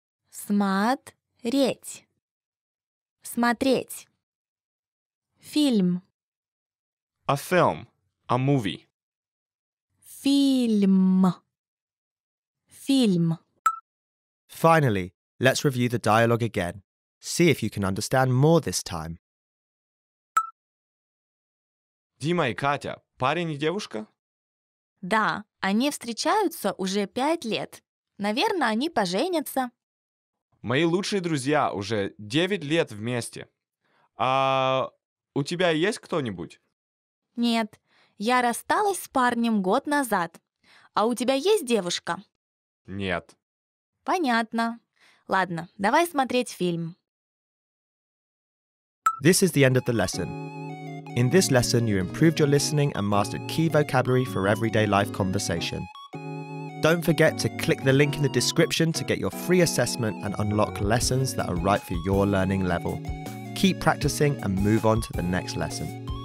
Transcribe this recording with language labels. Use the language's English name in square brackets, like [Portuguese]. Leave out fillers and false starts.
[Russian] Смотреть. Смотреть. Фильм. [English] A film, a movie. [Russian] Фильм. Фильм. [English] Finally, let's review the dialogue again. See if you can understand more this time. [Russian] Дима и Катя, парень и девушка? Да, они встречаются уже 5 лет. Наверное, они поженятся. Мои лучшие друзья уже 9 лет вместе. А у тебя есть кто-нибудь? Нет, Я рассталась с парнем год назад. А у тебя есть девушка? Нет. Понятно. Ладно, давай смотреть фильм. [English] This is the end of the lesson. In this lesson, you improved your listening and mastered key vocabulary for everyday life conversation. Don't forget to click the link in the description to get your free assessment and unlock lessons that are right for your learning level. Keep practicing and move on to the next lesson.